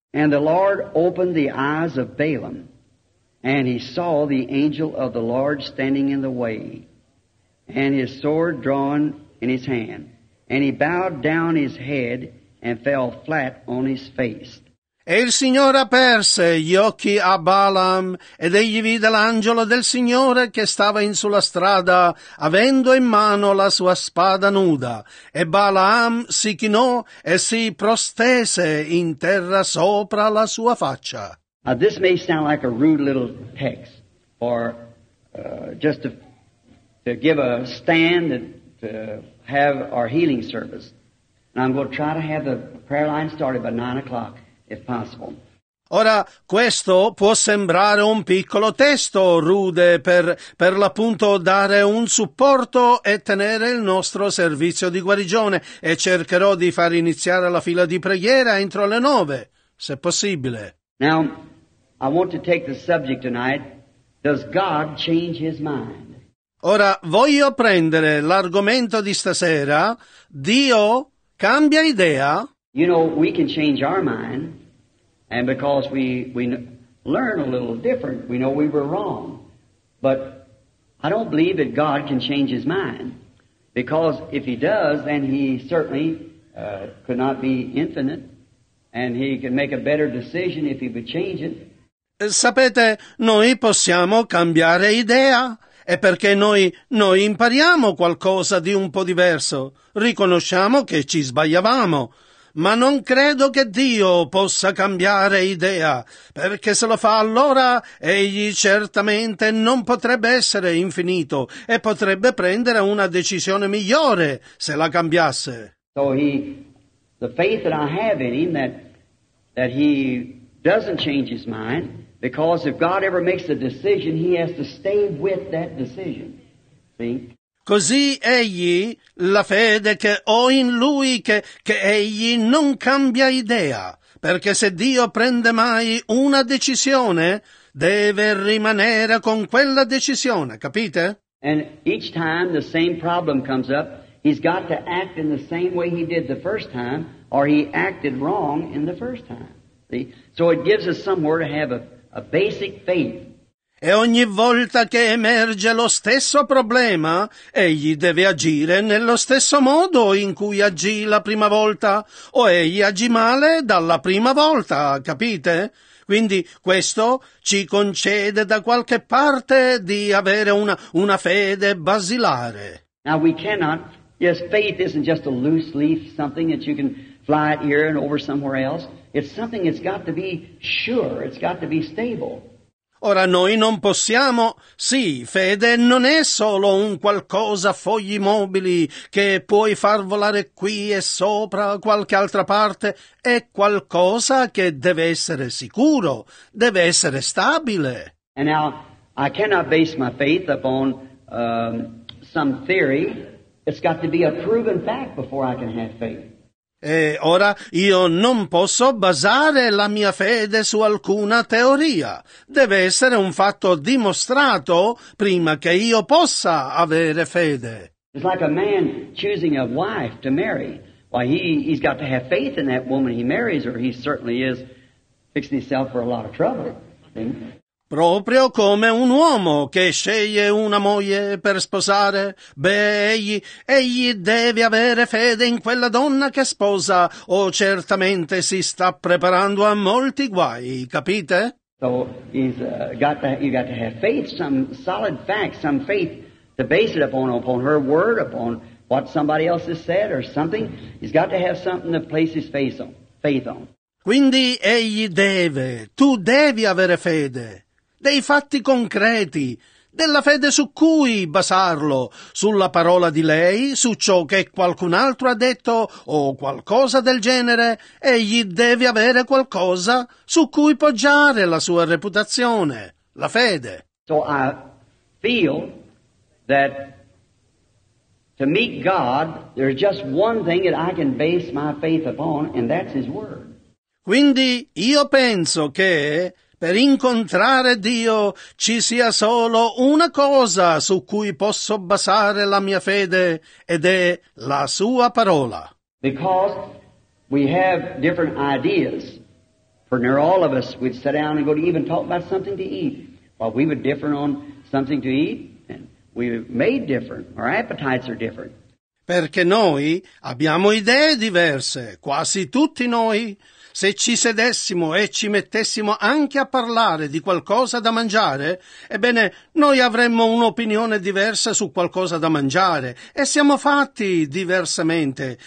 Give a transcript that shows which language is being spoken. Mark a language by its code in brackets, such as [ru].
[en] And the Lord opened the eyes of Balaam, and he saw the angel of the Lord standing in the way, and his sword drawn in his hand. And he bowed down his head and fell flat on his face. [it] E il Signore aperse gli occhi a Balaam, ed egli vide l'angelo del Signore che stava in sulla strada, avendo in mano la sua spada nuda. E Balaam si chinò e si prostese in terra sopra la sua faccia. [en] Now this may sound like a rude little text, or just to give a stand and to have our healing service. And I'm going to try to have the prayer line started by 9 o'clock. If possible. [it] Ora, questo può sembrare un piccolo testo rude per l'appunto dare un supporto e tenere il nostro servizio di guarigione, e cercherò di far iniziare la fila di preghiera entro le 9, se possibile. [en] Now, I want to take the subject tonight. Does God change his mind? [it] Ora, voglio prendere l'argomento di stasera. Dio cambia idea? [en] You know, we can change our mind, and because we learn a little different, we know we were wrong. But I don't believe that God can change his mind, because if he does, then he certainly could not be infinite, and he can make a better decision if he would change it. [it] Sapete, noi possiamo cambiare idea. È perché noi impariamo qualcosa di un po' diverso. Riconosciamo che ci sbagliavamo. Ma non credo che Dio possa cambiare idea, perché se lo fa allora, egli certamente non potrebbe essere infinito e potrebbe prendere una decisione migliore se la cambiasse. [en] So the faith that I have in him that he doesn't change his mind, because if God ever makes a decision, he has to stay with that decision. See? [it] Così egli, la fede che ho in lui, che egli non cambia idea, perché se Dio prende mai una decisione, deve rimanere con quella decisione, capite? [en] And each time the same problem comes up, he's got to act in the same way he did the first time, or he acted wrong in the first time. See? So it gives us somewhere to have a basic faith. [it] E ogni volta che emerge lo stesso problema, egli deve agire nello stesso modo in cui agì la prima volta, o egli agì male dalla prima volta, capite? Quindi questo ci concede da qualche parte di avere una fede basilare. [en] Now we cannot, yes, faith isn't just a loose leaf, something that you can fly it here and over somewhere else. It's something that's got to be sure, it's got to be stable. [it] Ora noi non possiamo, sì, fede non è solo un qualcosa a fogli mobili che puoi far volare qui e sopra qualche altra parte, è qualcosa che deve essere sicuro, deve essere stabile. [en] And now, I cannot base my faith upon some theory, it's got to be a proven fact before I can have faith. [it] E ora io non posso basare la mia fede su alcuna teoria. Deve essere un fatto dimostrato prima che io possa avere fede. [en] It's like a man choosing a wife to marry. Why, he's got to have faith in that woman he marries, or he certainly is fixing himself for a lot of trouble. [it] Proprio come un uomo che sceglie una moglie per sposare, beh, egli deve avere fede in quella donna che sposa, o certamente si sta preparando a molti guai, capite? [en] So he's got to have faith, some solid fact, some faith to base it upon her word, upon what somebody else has said or something. He's got to have something to place his faith on. [it] Quindi egli deve, tu devi avere fede. Dei fatti concreti, della fede su cui basarlo, sulla parola di lei, su ciò che qualcun altro ha detto o qualcosa del genere, egli deve avere qualcosa su cui poggiare la sua reputazione, la fede. [en] So I feel that to meet God there's just one thing that I can base my faith upon, and that's his word. [it] Quindi io penso che Per incontrare Dio ci sia solo una cosa su cui posso basare la mia fede, ed è la Sua parola. [en] Because we have different ideas. For near all of us, we'd sit down and go to even talk about something to eat. While we would differ on something to eat, and we may differ, our appetites are different. [it] Perché noi abbiamo idee diverse, quasi tutti noi. Se ci sedessimo e ci mettessimo anche a parlare di qualcosa da mangiare, ebbene, noi avremmo un'opinione diversa su qualcosa da mangiare, e siamo fatti diversamente.